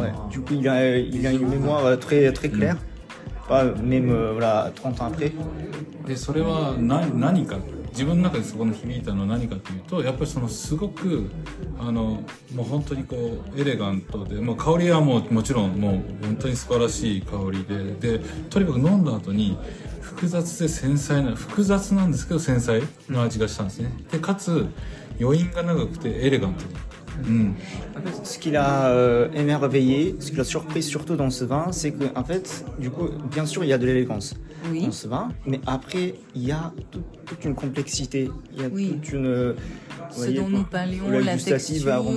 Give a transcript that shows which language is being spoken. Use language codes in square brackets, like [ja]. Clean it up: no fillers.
[fr] Du coup, il a une mémoire très très claire. Pas même 30 ans après. Et ça, c'est quoi? [ja] 自分の中でそこに響いたのは何かというと、やっぱりそのすごくあのもう本当にこうエレガントで、まあ、香りは もちろんもう本当に素晴らしい香りで、でとにかく飲んだ後に複雑で繊細な、複雑なんですけど繊細の味がしたんですね。でかつ余韻が長くてエレガントに、 [fr] En fait, ce qui l'a émerveillé, ce qui l'a surpris surtout dans ce vin, c'est que, en fait, du coup, bien sûr, il y a de l'élégance dans ce vin, mais après, il y a toute une complexité, il y a toute une... Ce dont nous parlions, la texture,